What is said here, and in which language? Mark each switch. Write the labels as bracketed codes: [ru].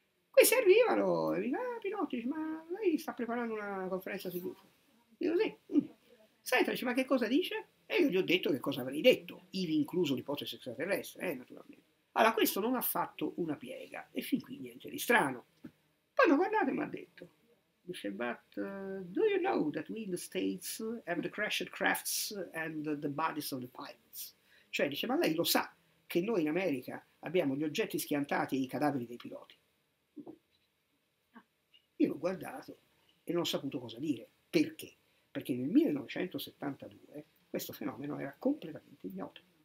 [it] Questi arrivano e mi dicono: ah, Pinotti, dice, ma lei sta preparando una conferenza su UFO? Dico sì. Senta, dice, ma che cosa dice? E io gli ho detto che cosa avrei detto, ivi incluso l'ipotesi extraterrestre, naturalmente. Allora, questo non ha fatto una piega e fin qui niente di strano. Poi mi ha guardato e mi ha detto, dice, [en] but do you know that we in the States have the crashed crafts and the bodies of the pilots? [it] Cioè, dice, ma lei lo sa che noi in America abbiamo gli oggetti schiantati e i cadaveri dei piloti? Io l'ho guardato e non ho saputo cosa dire. Perché? Perché nel 1972 questo fenomeno era completamente ignoto.